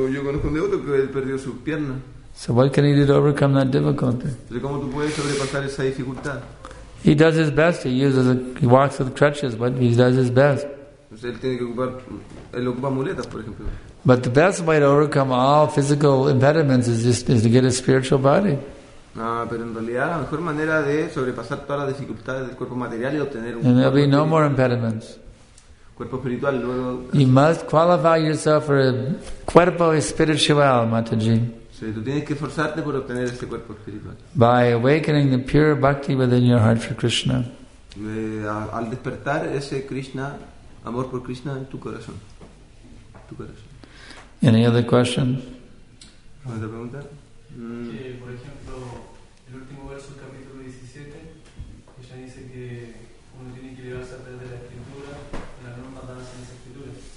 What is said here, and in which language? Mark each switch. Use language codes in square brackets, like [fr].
[en] So what can he do to overcome that difficulty? He does his best. He walks with crutches, but he does his best. But the best way to overcome all physical impediments is to get a spiritual body. [es] No, pero en realidad la mejor manera de sobrepasar todas las dificultades del cuerpo material es obtener un cuerpo espiritual. [en] No more impediments. [es] Cuerpo espiritual, luego. [en] You must qualify yourself for a [es] cuerpo espiritual, [en] Mataji. [es] Sí, tú tienes que esforzarte por obtener este cuerpo espiritual. [en] By awakening the pure bhakti within your heart for Krishna. [es] Al despertar ese Krishna, amor por Krishna en tu corazón. [en] Any other question? [es] ¿Otra pregunta? Por ejemplo, el último verso del capítulo 17, ella dice que uno tiene que elevarse a través de la escritura, la norma dada en esa escritura.